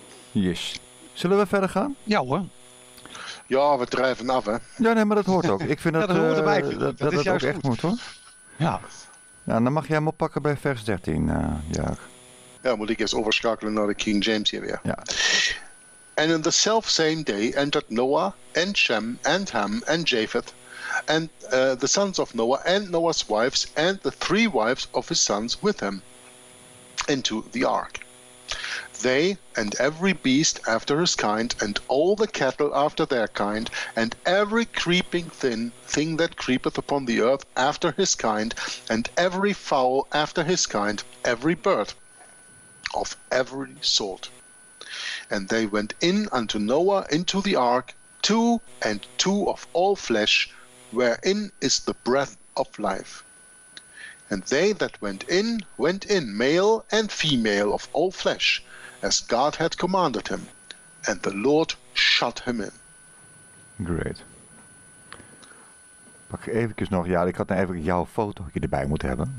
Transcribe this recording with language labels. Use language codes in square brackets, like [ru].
[nl] Yes. Zullen we verder gaan? Ja hoor. Ja, we drijven af, hè. Ja, nee, maar dat hoort ook. Ik vind dat het hoort erbij, dat ook goed. Echt moet, hoor. Ja. Ja, dan mag jij hem oppakken bij vers 13, Jaak. Ja, moet ik eerst overschakelen naar de King James hier weer. Ja. [en] And in the self same day entered Noah and Shem and Ham and Japheth and the sons of Noah and Noah's wives and the three wives of his sons with him into the ark. They and every beast after his kind and all the cattle after their kind and every creeping thing that creepeth upon the earth after his kind and every fowl after his kind, every bird of every sort. And they went in unto Noah into the ark, two and two of all flesh, wherein is the breath of life. And they that went in male and female of all flesh, as God had commanded him, and the Lord shut him in. Great. [nl] Pak eventjes nog, ja, ik had nou even jouw foto erbij moeten hebben.